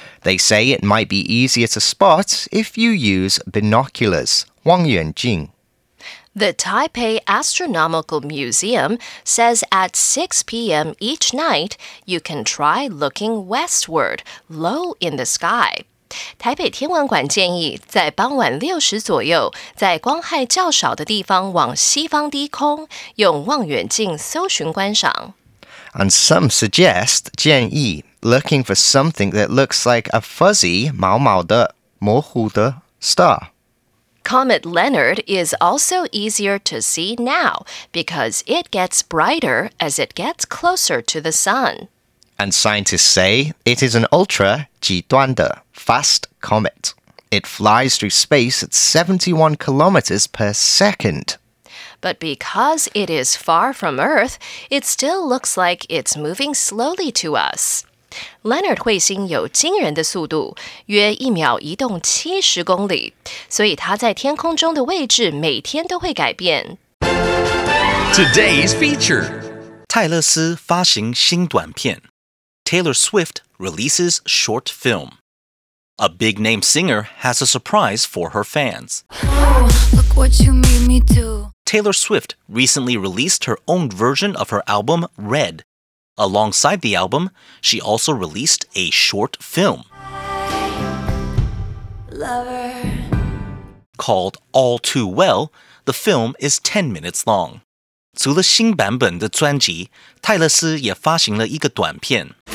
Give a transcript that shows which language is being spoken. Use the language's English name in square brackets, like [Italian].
[English] They say it might be easier to spot if you use binoculars, 望远镜. The Taipei Astronomical Museum says at 6 p.m. each night, you can try looking westward, low in the sky. [Chinese] 台北天文馆建议在傍晚六时左右，在光害较少的地方往西方低空，用望远镜搜寻观赏。 [English] And some suggest, 建议, looking for something that looks like a fuzzy, [Chinese] 毛毛的, 模糊的, [English] star. Comet Leonard is also easier to see now, because it gets brighter as it gets closer to the sun. And scientists say it is an ultra-极端的 fast comet. It flies through space at 71 kilometers per second. But because it is far from Earth, it still looks like it's moving slowly to us. [Chinese] Leonard 彗星有惊人的速度，约一秒移动70公里，所以它在天空中的位置每天都会改变。 [English] Today's feature. [Chinese] 泰勒斯发行新短片。 [English] Taylor Swift releases short film. A big name singer has a surprise for her fans. Oh, look what you made me do. Taylor Swift recently released her own version of her album Red. Alongside the album, she also released a short film. Lover. Called All Too Well, the film is 10 minutes long. [Chinese] 除了新版本的专辑，泰勒斯也发行了一个短片。